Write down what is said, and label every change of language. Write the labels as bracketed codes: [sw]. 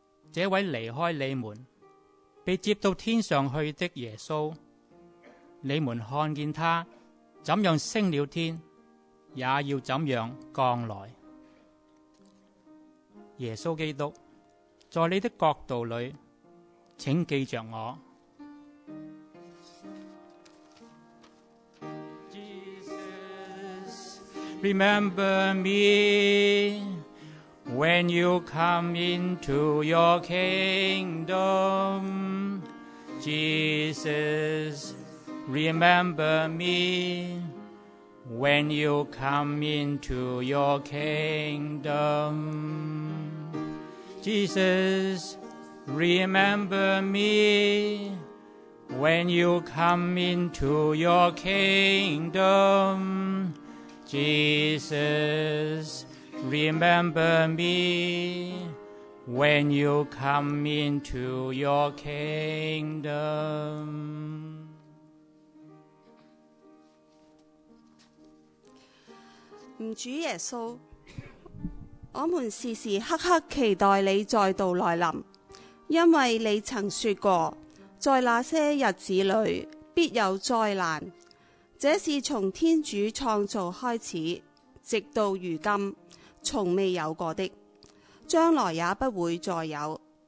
[zh] 这位离开你们被接到天上去的耶稣，你们看见他怎样升了天，也要怎样降来。耶稣基督，在你的国度里，请记着我。 [en] Jesus, remember me when you come into your kingdom. Jesus, remember me when you come into your kingdom. Jesus, remember me when you come into your kingdom. Jesus, remember me when you come into your kingdom. [zh] 主耶稣，我们时时刻刻期待你再度来临，因为你曾说过，在那些日子里必有灾难，这是从天主创造开始直到如今从未有过的，将来也不会再有。